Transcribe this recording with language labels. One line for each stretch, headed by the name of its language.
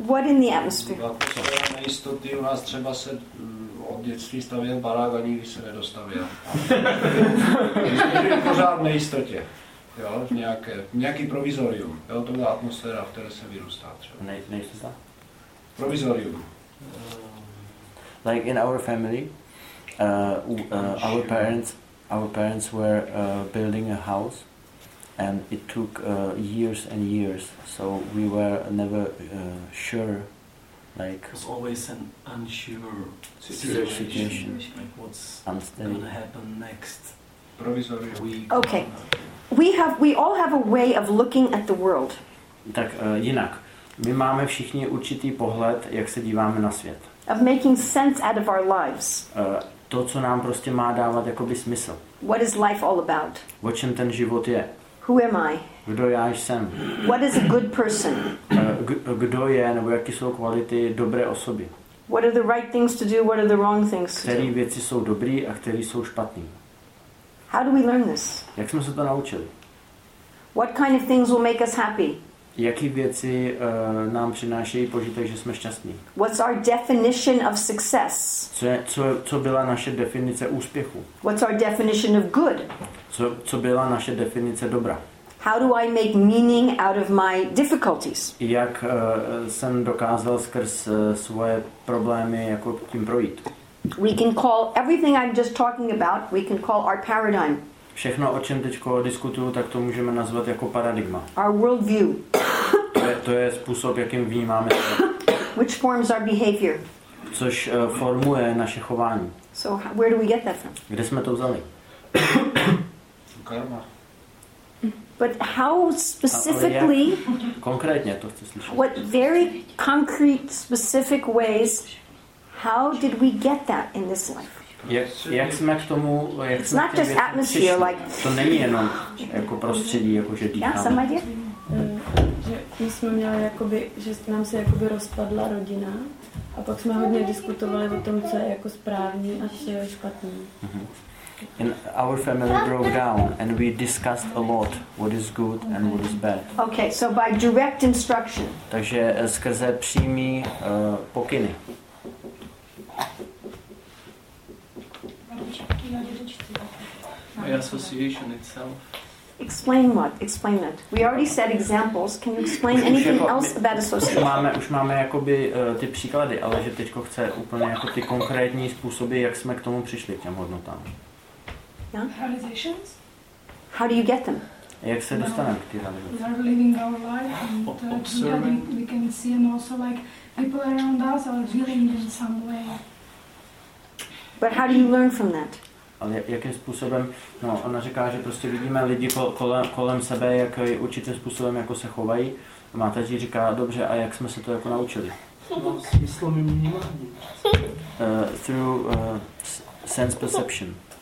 English: What in the atmosphere?
Czech: Nejistoty u nás třeba se od dětství stavěl barák a nikdy se nedostavěl. Pořád nejistotě. Jo, nějaký provizorium. Jo, to byla atmosféra, v které se vyrůstá třeba. Nejistota? Provizorium.
English: Like in our family, our parents were building a house, and it took years and years, so we were never sure, like... It was always an unsure situation. Like what's going to happen next. Provisory week. Okay. We all have a way of looking at the world.
Czech: Tak jinak. My máme všichni určitý pohled, jak se díváme na svět.
English: Of making sense out of our lives.
Czech: To, co nám prostě má dávat jakoby smysl.
English: What is life all about?
Czech: O čem ten život je?
English: Who am I?
Czech: Kdo já jsem?
English: What is a good person?
Czech: Kdo je, nebo jaké jsou kvality dobré osoby?
English: What are the right things to do? What are the wrong things to do?
Czech: Které věci jsou dobré a které jsou špatné?
English: How do we learn this?
Czech: Jak jsme se to naučili?
English: What kind of things will make us happy?
Czech: Jaké věci nám přinášejí požitek, že jsme šťastní?
English: What's our definition of success?
Czech: Co byla naše definice úspěchu?
English: What's our definition of good?
Czech: Co byla naše definice dobra?
English: How do I make meaning out of my difficulties?
Czech: Jak jsem dokázal skrz svoje problémy jako tím projít?
English: We can call everything I'm just talking about, we can call our paradigm.
Czech: Všechno, o čem teď diskutuju, tak to můžeme nazvat jako paradigma.
English: Our world view.
Czech: To je způsob, jakým vnímáme svět.
English: Which forms our behavior.
Czech: Což formuje naše chování.
English: So where do we get that from?
Czech: Kde jsme to vzali?
English: Karma. But how specifically?
Czech: Konkrétně to chci slyšet.
English: What very concrete, specific ways? How did we get that in this life?
Czech: Jak jsme k tomu, jak
English: it's
Czech: jsme
English: not just atmosphere,
Czech: přišli.
English: Like
Czech: to není jenom jako prostředí, jako že dýcháme. Já jsem Madě. Že my jsme měli jakoby, že nám se jakoby rozpadla rodina a pak jsme hodně diskutovali o tom, co je jako správný a co je špatný. Mm-hmm.
English: In our family broke down and we discussed a lot what is good and what is bad. Okay, so by direct instruction.
Czech: Takže skrze přímý pokyny.
English: The association itself. Explain that. We already said examples. Can you explain anything else about association?
Czech: Už máme jakoby ty příklady, ale že teďko chce úplně jako ty konkrétní způsoby, jak jsme k tomu přišli, k těm hodnotám.
English: Yeah? Realizations? How do you get them?
Czech: Jak se dostaneme k ty realizace?
English: We are living our life and observing. We can see and also like people around us are feeling in some way. But how do you learn from that?
Czech: Ale jakým způsobem, no ona říká, že prostě vidíme lidi kolem sebe, jak určitým způsobem jako se chovají. A máte ji říká, dobře, a jak jsme se to jako naučili? No, smyslem vnímání.
English: Through sense perception.